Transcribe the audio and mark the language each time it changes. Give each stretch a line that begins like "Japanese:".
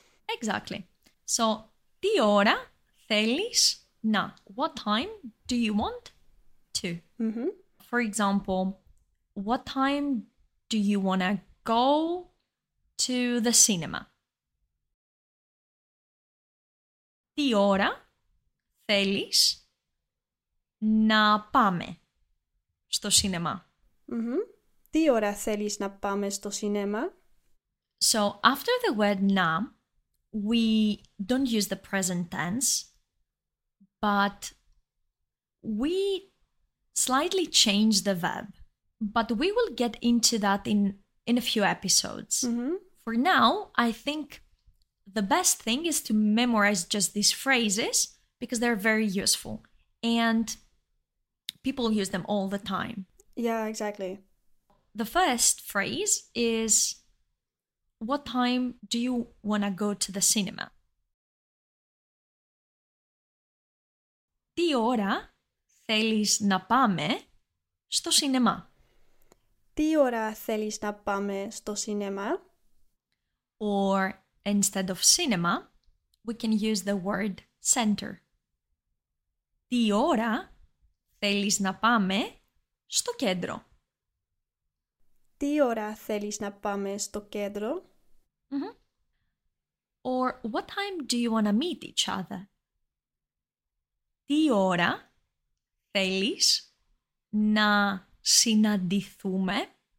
English: Exactly. So,
Greek: ti hora thelis na,
English: what time do you want to? Mm-hmm. For example, what time do you want to go to the cinema?
Greek: Τι ώρα θέλεις να πάμε στο σινεμά? Τι ώρα θέλεις να πάμε στο σινεμά?
English: So, after the word να, we don't use the present tense, but we slightly change the verb, but we will get into that in a few episodes. Mm-hmm. For now, I think the best thing is to memorize just these phrases because they're very useful and people use them all the time. Yeah, exactly. The first phrase is, what time do you want to go to the cinema?
Greek: Τι ώρα θέλεις να πάμε στο σινεμά? Τι ώρα θέλεις να πάμε στο σινεμά?
English: Or instead of cinema, we can use the word center.
Greek: Τι ώρα θέλεις να πάμε στο κέντρο? Τι ώρα θέλεις να πάμε στο κέντρο? Mm-hmm.
English: Or what time do you want to meet each other?
Greek: Τι ώρα θέλεις να συναντηθούμε?